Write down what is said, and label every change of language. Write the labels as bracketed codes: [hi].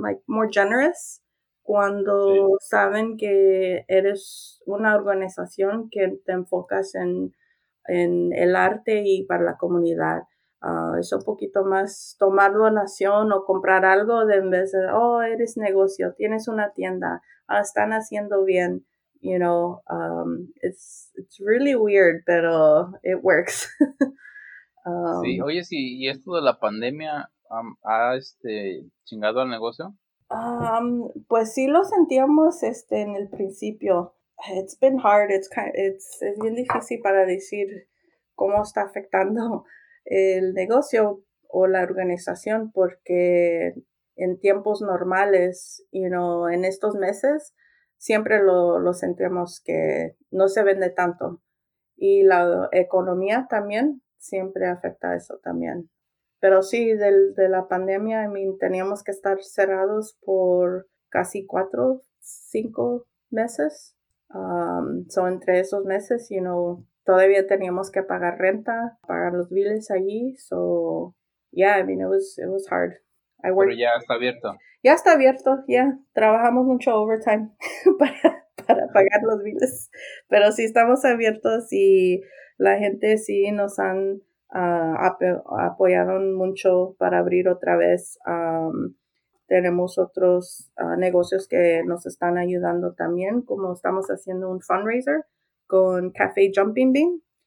[en] Like, more generous [es] cuando sí. Saben que eres una organización que te enfocas en el arte y para la comunidad. Es un poquito más tomar donación o comprar algo de en vez de, oh, eres negocio, tienes una tienda, están haciendo bien. [en] You know, it's really weird, [es] pero [en] it works. [es] Sí, oye, sí, ¿y esto de la pandemia ha chingado al negocio? Pues sí lo sentíamos en el principio. [en] It's been hard, [es] es bien difícil para decir cómo está afectando el negocio o la organización, porque en tiempos normales, [en] you know, [es] en estos meses, siempre lo sentimos que no se vende tanto. Y la economía también siempre afecta a eso también. Pero sí, de la pandemia, [en] I mean, [es] teníamos que estar cerrados por casi 4-5 meses. So entre esos meses, [en] you know, [es] todavía teníamos que pagar renta, pagar los biles allí. [en] So, yeah, I mean, it was hard. [es] Pero ya está abierto. Ya está abierto, ya. [en] Yeah. [es] Trabajamos mucho overtime para pagar los biles. Pero sí estamos abiertos y la gente sí nos han apoyado mucho para abrir otra vez. Tenemos otros negocios que nos están ayudando también, como estamos haciendo un fundraiser con Café Jumping Bean.